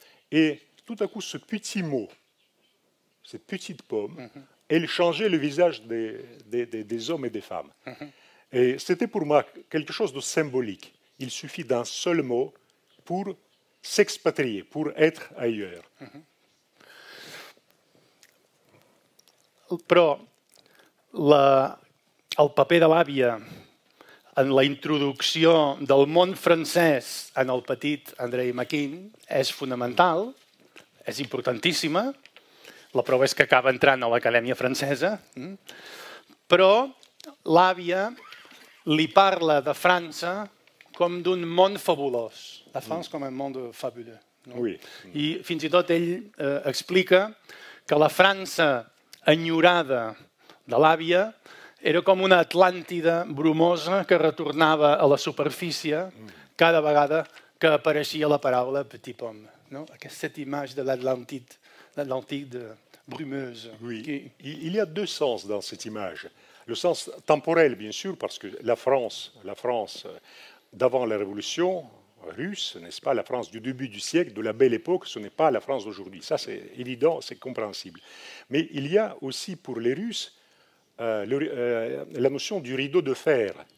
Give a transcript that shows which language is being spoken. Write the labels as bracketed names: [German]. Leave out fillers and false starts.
[French] Et tout à coup, ce petit mot, cette petite pomme, elle changeait le visage des hommes et des femmes. Et c'était pour moi quelque chose de symbolique. Il suffit d'un seul mot pour s'expatrier, pour être ailleurs. [Catalan] Però el paper de l'àvia en la introducció del món francès en el petit Andrei Makin és fonamental, és importantíssima. La prova és que acaba entrant a l'Acadèmia Francesa. Però l'àvia li parla de França com d'un món fabulós. La France com un món fabuleux. I fins i tot ell explica que la França enyorada de l'àvia era com una Atlàntida brumosa que retornava a la superfície cada vegada que apareixia la paraula petit pom. Aquesta imatge de l'Atlàntida brumeuse. [French] Oui. Il y a deux sens dans cette image. Le sens temporel, bien sûr, parce que la France d'avant la Révolution, russe, n'est-ce pas, la France du début du siècle, de la belle époque, ce n'est pas la France d'aujourd'hui. Ça, c'est évident, c'est compréhensible. Mais il y a aussi pour les Russes la notion du rideau de fer.